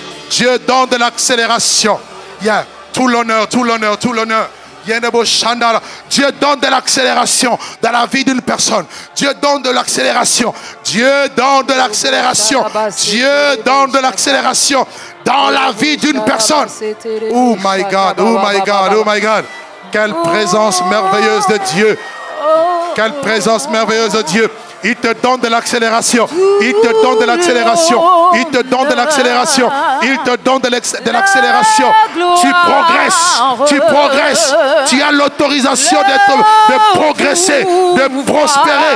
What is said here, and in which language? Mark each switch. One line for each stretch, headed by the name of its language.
French: Dieu donne de l'accélération. Yeah. Tout l'honneur, tout l'honneur, tout l'honneur. Dieu donne de l'accélération dans la vie d'une personne. Dieu donne de l'accélération. Dieu donne de l'accélération. Dieu donne de l'accélération dans la vie d'une personne.
English: Oh my God, oh my God, oh my God.
French: Quelle présence merveilleuse de Dieu. Quelle présence merveilleuse de Dieu. Il te donne de l'accélération. Il te donne de l'accélération. Il te donne de l'accélération. Il te donne de l'accélération. Tu progresses. Tu progresses. Tu as l'autorisation de progresser, de prospérer.